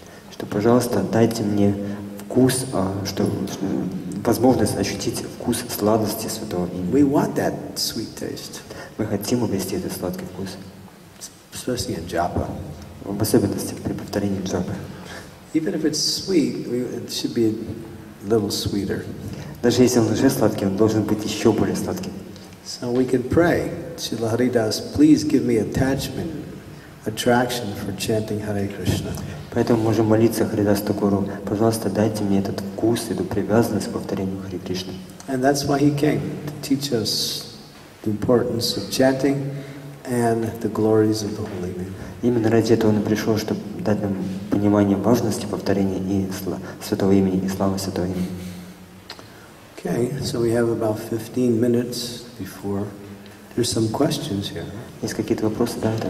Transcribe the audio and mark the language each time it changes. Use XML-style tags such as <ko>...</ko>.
<ru>Что, пожалуйста, дайте мне вкус, что возможность ощутить вкус сладости святого имени.</ru> <en>We want that sweet taste.</en> <ru>Мы хотим обрести этот сладкий вкус.</ru> <en>Especially in japa.</en> <ru>В особенности при повторении джапы.</ru> <en>Even if it's sweet, it should be a little sweeter.</en> <ru>Даже если он уже сладкий, он должен быть еще более сладким.</ru> <en>So we can pray, Srila Haridas, please give me attachment, attraction for chanting Hare Krishna.</en> <ru>Поэтому можем молиться Харидас Такуру, пожалуйста, дайте мне этот вкус, эту привязанность к повторению Хари Кришны.</ru> <en>And that's why he came, to teach us the importance of chanting and the glories of the holy name.</en> <ru>Именно ради этого он пришел, чтобы дать нам понимание важности повторения и святого имени и славы святого имени.</ru> <en>Okay, so we have about 15 minutes before. There's some questions here.</en> <ru>Есть какие-то вопросы, да?</ru>